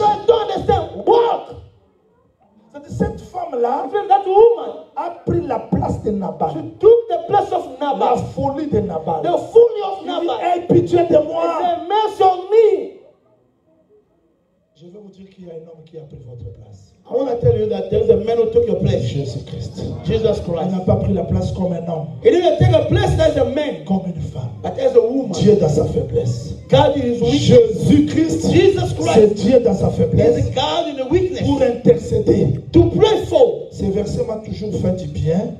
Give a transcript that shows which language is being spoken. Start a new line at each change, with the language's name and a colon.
English: I don't understand. Walk.
French: Cette femme-là.
English: Even that woman.
French: A pris la place de Nabal.
English: She took the place of Nabal.
French: La folie de Nabal.
English: The folly of Nabal.
French: Aie pitié de moi.
English: Have mercy on me.
French: Je veux vous dire qu'il y a un homme qui a pris votre place.
English: I want to tell you that there's a man who took your place.
French: Jésus Christ.
English: Jesus Christ.
French: Il n'a pas pris la place comme un homme.
English: He didn't take a place as a man.
French: Comme une femme.
English: But as a woman.
French: Dieu dans sa faiblesse.
English: God in his weakness.
French: Jésus Christ.
English: Jesus Christ.
French: C'est Dieu dans sa faiblesse.
English: Is God in the weakness.
French: Pour intercéder.
English: To pray for.
French: Ces versets m'ont toujours fait du bien.